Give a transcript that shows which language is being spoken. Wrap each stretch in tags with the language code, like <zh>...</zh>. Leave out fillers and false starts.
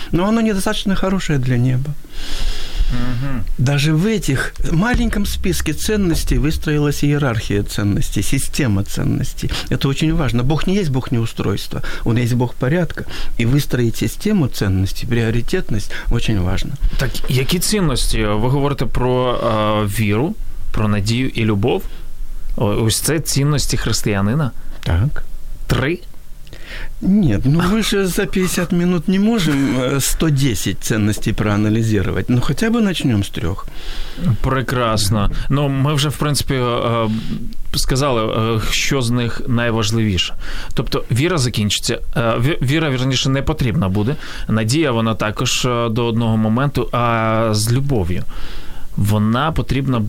<ru>Но оно недостаточно хорошее для неба. Даже в этих маленьком списке ценностей выстроилась иерархия ценностей, система ценностей. Это очень важно. Бог не есть Бог неустройства. Он есть Бог порядка. И выстроить систему ценностей, приоритетность очень важно.</ru> <uk>Так, які цінності? Ви говорите про віру, про надію і любов? Ось це цінності християнина? Так. Три?</uk> <ru>Нет, ну мы же за 50 минут не можем 110 ценностей проанализировать. Ну хотя бы начнем с трех. Прекрасно. Ну мы уже, в принципе, сказали, що з них найважливіше.</ru> <uk>Тобто віра закінчиться, віра, вірніше, не потрібна буде. Надія, вона також до одного моменту, а з любов'ю. Вона потрібна буде...</uk>